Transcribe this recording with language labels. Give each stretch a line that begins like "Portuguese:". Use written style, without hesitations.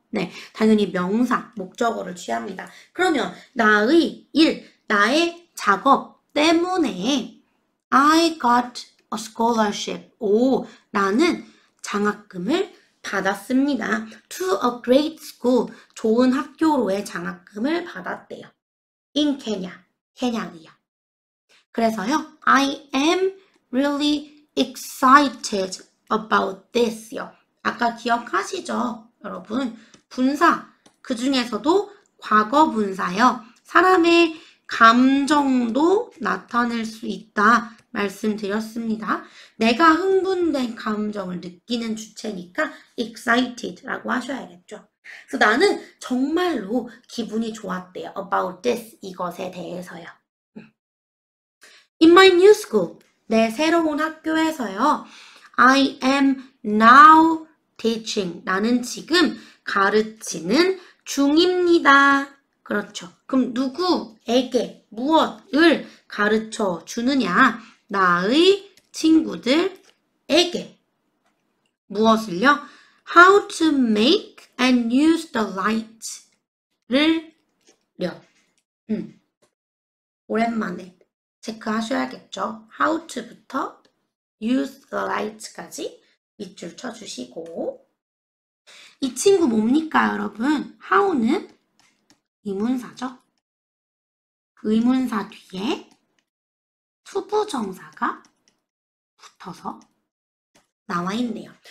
Korean: 네, 당연히 명사, 목적어를 취합니다. 그러면 나의 일, 나의 작업 때문에
English: I got a scholarship.
Korean: 오, 나는 장학금을 받았습니다.
English: To a great school.
Korean: 좋은 학교로의 장학금을 받았대요.
English: In Kenya.
Korean: 케냐고요. 그래서요,
English: I am really excited about this요.
Korean: 아까 기억하시죠? 여러분, 분사, 그 중에서도 과거 분사요. 사람의 감정도 나타낼 수 있다 말씀드렸습니다. 내가 흥분된 감정을 느끼는 주체니까 excited라고 하셔야겠죠. 그래서 나는 정말로 기분이 좋았대요.
English: about this,
Korean: 이것에 대해서요.
English: In my new school,
Korean: 내 새로운 학교에서요,
English: I am now teaching.
Korean: 나는 지금 가르치는 중입니다. 그렇죠. 그럼 누구에게 무엇을 가르쳐 주느냐? 나의 친구들에게. 무엇을요?
English: How to make and use the light를요.
Korean: 오랜만에. 체크하셔야겠죠. How to부터
English: use the light
Korean: 까지 밑줄 쳐주시고 이 친구 뭡니까 여러분? How는 의문사죠. 의문사 뒤에 투부정사가 붙어서 나와있네요.